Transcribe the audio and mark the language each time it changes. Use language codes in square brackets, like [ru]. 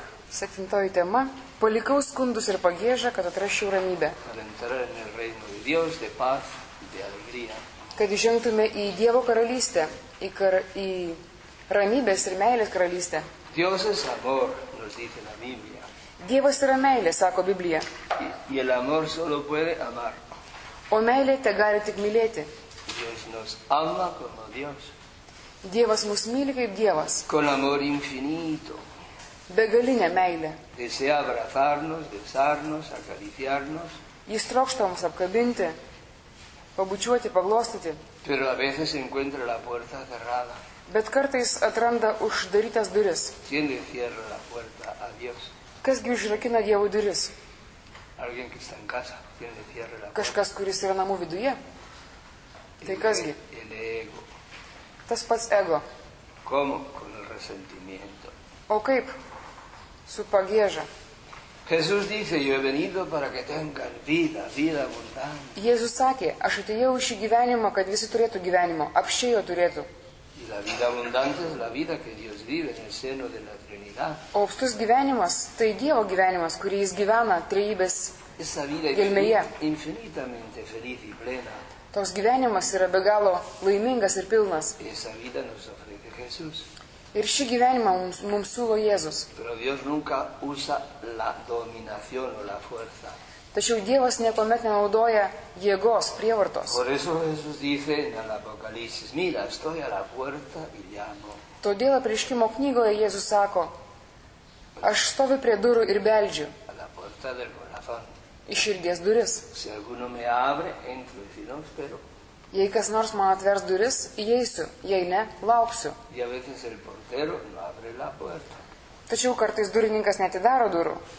[lt] Septintoji tema. Palikau skundus ir pagiežą, kad atrašiau ramybę. Kad žengtume į Dievo karalystę, į ramybės ir meilės karalystę. [es] Dievas amor, nos dice la Biblia. [lt] Dievas yra meilė, sako Biblija. [es] Y el amor solo puede amar. [lt] O meilė te gali tik mylėti. [es] Dios nos ama como Dios. [lt] Dievas mus myli kaip Dievas. [es] Con amor infinito. [lt] Begalinė meilė. [es] Desea abrazarnos, besarnos, acariciarnos. [lt] Jis trokšta mus apkabinti, pabučiuoti, paglostyti. [es] Pero a veces se encuentra la puerta cerrada. [lt] Bet kartais atranda uždarytas duris. [es] ¿Quién le cierra la puerta a Dios? [lt] Kasgi užrakina Dievo duris? [es] Alguien que está en casa, quien le cierra la puerta. [lt] Kažkas, kuris yra namų viduje? Tai kasgi? [es] El ego. [lt] Tas pats ego. [es] ¿Cómo? Con el resentimiento. [lt] O kaip? Su pagieža. [es] Jesús dice, yo he venido para que tengan vida, vida abundante. [lt] Jėzus sakė, aš atėjau į šį gyvenimą, kad visi turėtų gyvenimo, apščiai jo turėtų. [es] La vida abundante es la vida que Dios vive en el seno de la Trinidad. [lt] O apstus gyvenimas, tai Dievo gyvenimas, kurį jis gyvena trejybės gelmeje. [es] Infinitamente feliz y plena. [lt] Toks gyvenimas yra be galo laimingas ir pilnas. [es] Esa vida nos ofrece Jesús. [lt] Ir šį gyvenimą mums siūlo Jėzus. [es] Pero Dios nunca usa la dominación o la fuerza. [lt] Tačiau Dievas niekuomet nenaudoja jėgos, prievartos. [es] Por eso Jesús dice en el Apocalipsis, mira, estoy a la puerta y llamo. [lt] Todėl apreiškimo knygoje Jėzus sako, aš stoviu prie durų ir beldžiu. [es] A la puerta del corazón. [lt] Į širdies duris. [es] Si alguno me abre, entro, si no, espero. [lt] Jei kas nors man atvers duris, įeisiu, jei ne, lauksiu. [es] Y a veces el portero no abre la puerta. [lt] Tačiau kartais durininkas netidaro durų.